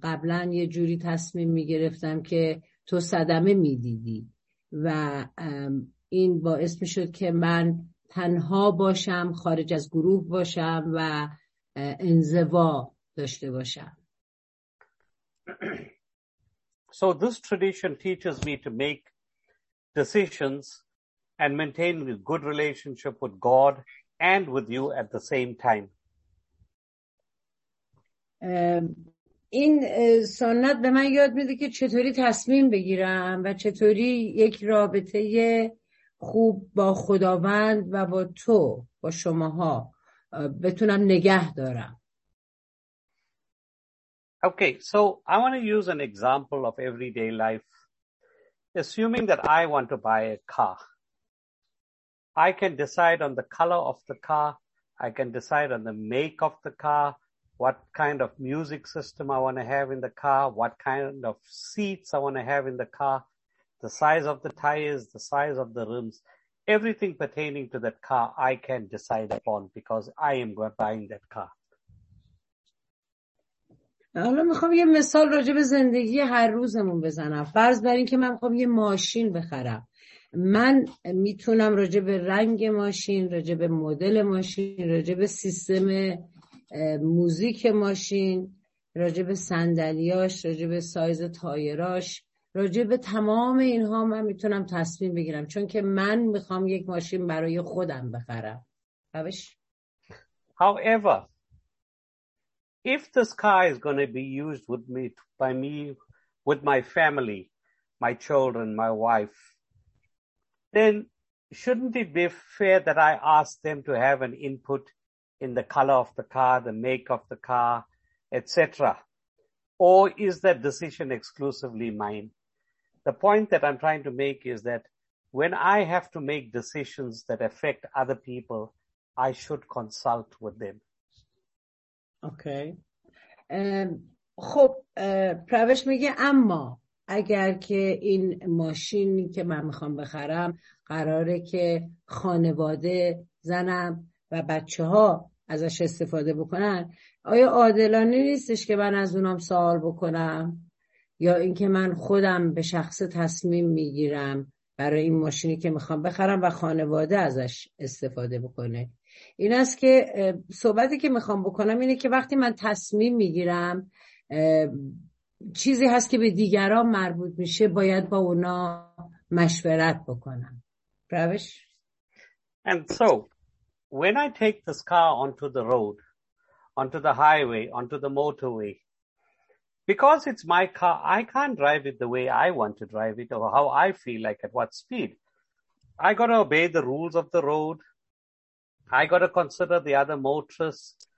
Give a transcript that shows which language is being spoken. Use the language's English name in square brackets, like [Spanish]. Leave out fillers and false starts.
[Persian] قبلا یه جوری تصمیم میگرفتم که تو صدمه میدیدی و این باعث میشد که من تنها باشم، خارج از گروه باشم و انزوا داشته باشم. [English] So this tradition teaches me to make decisions and maintain a good relationship with God and with you at the same time. [Persian] این سنت به من یاد میده که چطوری تصمیم بگیرم و چطوری یک رابطه خوب با خداوند و با تو، با شماها بتونم نگه دارم. [English] Okay, so I want to use an example of everyday life. Assuming that I want to buy a car, I can decide on the color of the car, I can decide on the make of the car, what kind of music system I want to have in the car, what kind of seats I want to have in the car, the size of the tires, the size of the rims, everything pertaining to that car I can decide upon because I am buying that car. [Persian] حالا میخوام یه مثال راجع به زندگی هر روزمون بزنم. فرض بر این که من میخوام یه ماشین بخرم، من میتونم راجع به رنگ ماشین، راجع به مدل ماشین، راجع به سیستم موزیک ماشین، راجع به صندلیاش، راجع به سایز تایراش، راجع به تمام اینها من میتونم تصمیم بگیرم، چون که من میخوام یک ماشین برای خودم بخرم. باش. [English] However, if this car is going to be used with me, by me, with my family, my children, my wife, then shouldn't it be fair that I ask them to have an input in the color of the car, the make of the car, etc.? Or is that decision exclusively mine? The point that I'm trying to make is that when I have to make decisions that affect other people, I should consult with them. Okay. [Persian] خب پروش میگه اما اگر که این ماشینی که من میخوام بخرم قراره که خانواده، زنم و بچه ها ازش استفاده بکنن، آیا عادلانه نیستش که من از اونام سوال بکنم؟ یا اینکه من خودم به شخص تصمیم میگیرم برای این ماشینی که میخوام بخرم و خانواده ازش استفاده بکنه؟ این است که صحبتی که میخوام بکنم اینه که وقتی من تصمیم میگیرم چیزی هست که به دیگران مربوط میشه، باید با اونا مشورت بکنم. روش؟ [English] And so, when I take this car onto the road, onto the highway, onto the motorway, because it's my car, I can't drive it the way I want to drive it or how I feel like at what speed. I got to obey the rules of the road. I got to consider the other motorists.